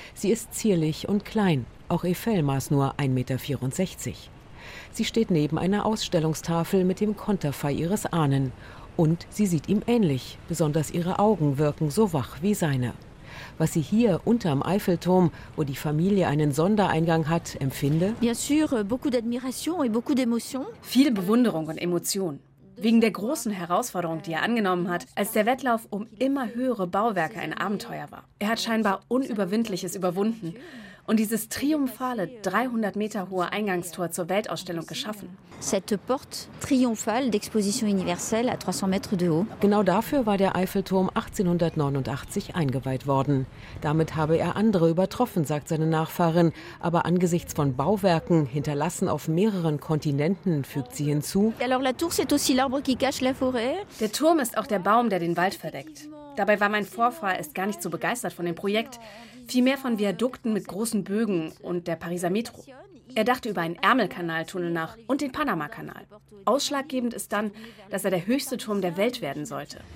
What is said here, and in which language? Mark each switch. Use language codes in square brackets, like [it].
[de] Sie ist zierlich und klein. Auch Eiffel maß nur 1,64 Meter. Sie steht neben einer Ausstellungstafel mit dem Konterfei ihres Ahnen. Und sie sieht ihm ähnlich, besonders ihre Augen wirken so wach wie seine. Was sie hier unterm Eiffelturm, wo die Familie einen Sondereingang hat, empfinde? [fr] Bien sûr, beaucoup d'admiration et beaucoup d'émotion. [de] Viel Bewunderung und Emotion. Wegen der großen Herausforderung, die er angenommen hat, als der Wettlauf um immer höhere Bauwerke ein Abenteuer war. Er hat scheinbar Unüberwindliches überwunden und dieses triumphale 300 Meter hohe Eingangstor zur Weltausstellung geschaffen. [fr] Cette porte triomphale d'exposition universelle à 300 mètres de haut. [de] Genau dafür war der Eiffelturm 1889 eingeweiht worden. Damit habe er andere übertroffen, sagt seine Nachfahrin. Aber angesichts von Bauwerken, hinterlassen auf mehreren Kontinenten, fügt sie hinzu. [fr] Alors, la tour, c'est aussi l'arbre qui cache la forêt. [de] Der Turm ist auch der Baum, der den Wald verdeckt. Dabei war mein Vorfahr erst gar nicht so begeistert von dem Projekt, vielmehr von Viadukten mit großen Bögen und der Pariser Metro. Er dachte über einen Ärmelkanaltunnel nach und den Panamakanal. Ausschlaggebend ist dann, dass er der höchste Turm der Welt werden sollte.